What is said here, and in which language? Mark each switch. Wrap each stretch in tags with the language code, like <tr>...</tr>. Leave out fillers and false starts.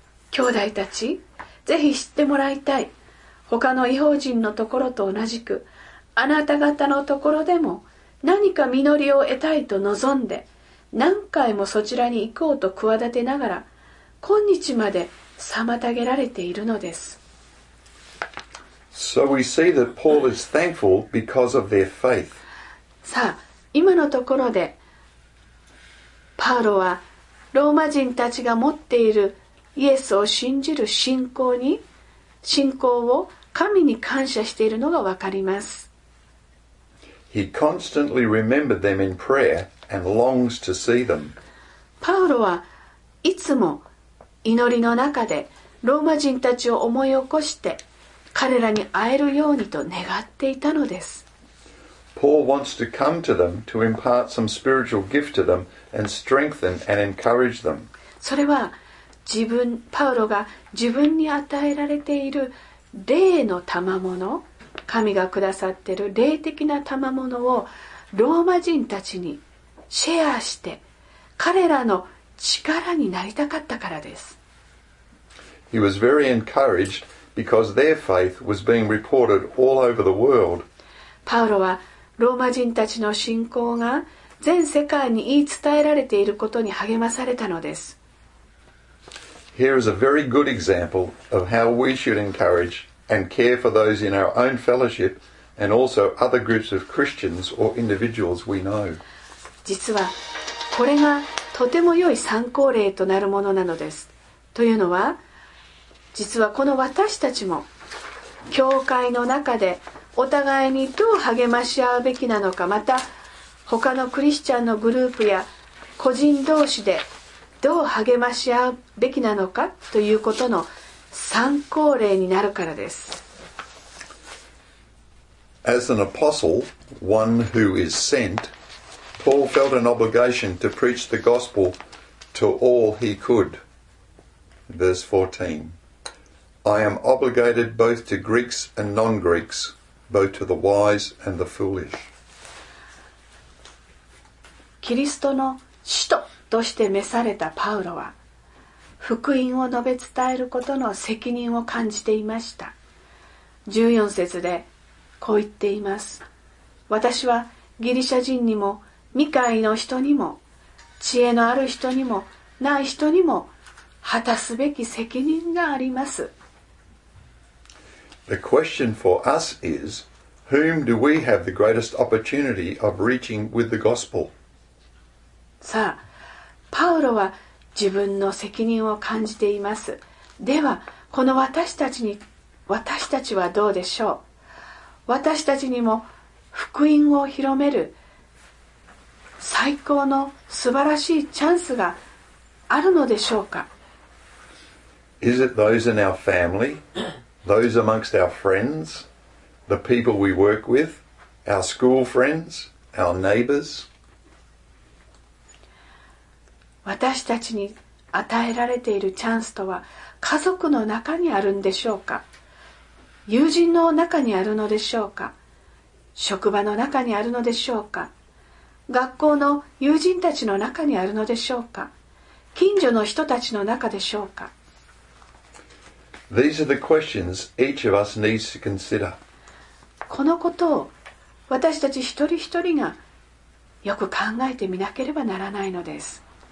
<ja>兄弟たち、ぜひ知ってもらいたい。他の異邦人のところと同じく、あなた方のところでも何か実りを得たいと望んで、何回もそちらに行こうと企てながら、今日まで妨げられているのです。</ja> <en>So we see that Paul is thankful because of their faith.</en> <ja>さあ、今のところで、パウロはローマ人たちが持っているイエスを信じる信仰を神に感謝しているのがわかります。</ja> <en>He constantly remembered them in prayer. And longs to see them.</en> <ja>パウロはいつも祈りの中でローマ人たちを思い起こして彼らに会えるようにと願っていたのです。</ja> <en>パウロ wants to come to them to impart some spiritual gift to them and strengthen and encourage them。</en> <ja>それは自分、パウロが自分に与えられている霊の賜物、神がくださっている霊的な賜物をローマ人たちにシェアして彼らの力になりたかったからです。</ja> <en>He was very encouraged because their faith was being reported all over the world.</en> <ja>パウロはローマ人たちの信仰が全世界に言い伝えられていることに励まされたのです。</ja> <en>Here is a very good example of how we should encourage and care for those in our own fellowship and also other groups of Christians or individuals we know.</en> <ja>実はこれがとても良い参考例となるものなのです。というのは実はこの私たちも教会の中でお互いにどう励まし合うべきなのか、また他のクリスチャンのグループや個人同士でどう励まし合うべきなのかということの参考例になるからです。</ja> <en>As an apostle, one who is sent, Paul felt an obligation to preach the gospel to all he could. Verse 14. I am obligated both to Greeks and non-Greeks, both to the wise and the foolish.</en> <ja>キリストの使徒として召されたパウロは、福音を述べ伝えることの責任を感じていました。 14節でこう言っています。私はギリシャ人にも、未開の人にも、知恵のある人にも、ない人にも、果たすべき責任があります。</ja> <en>The question for us is, whom do we have the greatest opportunity of reaching with the gospel?</en> <ja>さあ、パウロは自分の責任を感じています。では、この私たちはどうでしょう？私たちにも福音を広める最高の素晴らしいチャンスがあるのでしょうか？</ja> <en>Is it those in our family? Those amongst our friends, the people we work with, our school friends, our neighbors.</en> <ja>私たちに与えられているチャンスとは家族の中にあるんでしょうか、友人の中にあるのでしょうか、職場の中にあるのでしょうか、学校の友人たちの中にあるのでしょうか、近所の人たちの中でしょうか。</ja> <en>These are the questions each of us needs to consider.</en> <ja>このことを私たち一人一人がよく考えてみなければならないのです。</ja>